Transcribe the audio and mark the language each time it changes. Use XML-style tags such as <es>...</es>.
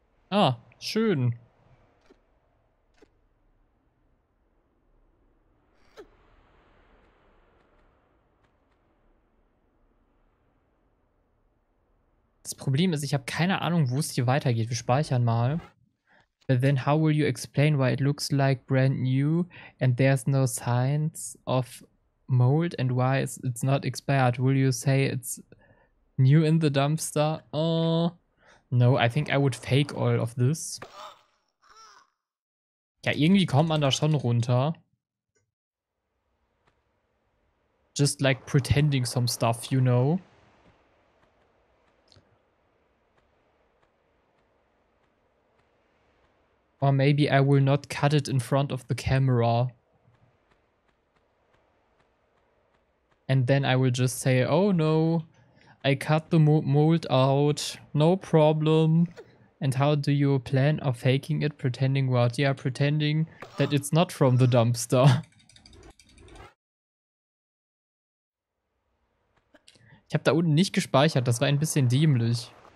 <de>Ah, schön. Das Problem ist, ich habe keine Ahnung, wo es hier weitergeht. Wir speichern mal.</de> <en>But then how will you explain why it looks like brand new and there's no signs of mold and why it's not expired? Will you say it's new in the dumpster? Oh, no, I think I would fake all of this.</en> <de>Ja, irgendwie kommt man da schon runter.</de> <en>Just like pretending some stuff, you know. Or maybe I will not cut it in front of the camera. And then I will just say, oh no, I cut the mold out, no problem. And how do you plan of faking it, pretending what? Yeah, pretending that it's not from the dumpster.</en> <de>Ich habe da unten nicht gespeichert, das war ein bisschen dämlich.</de>